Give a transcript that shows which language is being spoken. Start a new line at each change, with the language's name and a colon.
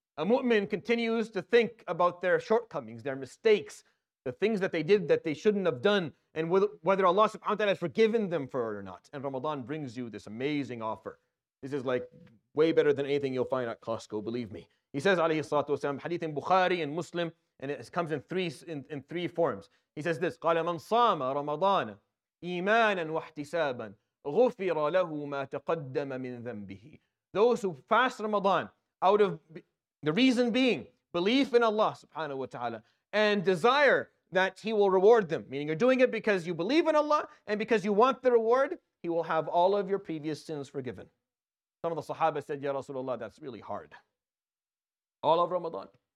English: A mu'min continues to think about their shortcomings, their mistakes, the things that they did that they shouldn't have done, and whether Allah subhanahu wa ta'ala has forgiven them for it or not. And Ramadan brings you this amazing offer. This is like way better than anything you'll find at Costco, believe me. He says, alayhi salatu wasalam, hadith in Bukhari and Muslim, and it comes in three forms. He says this,
Arabic: قَالَ مَنْ صَامَ رَمَضَانَ إِيمَانًا وَاحْتِسَابًا غُفِرَ لَهُ مَا تَقَدَّمَ مِنْ ذَنْبِهِ.
English: Those who fast Ramadan out of the reason being belief in Allah subhanahu wa ta'ala and desire that He will reward them, meaning you're doing it because you believe in Allah and because you want the reward, He will have all of your previous sins forgiven. Some of the Sahaba said, Ya Rasulullah, that's really hard. All of Ramadan?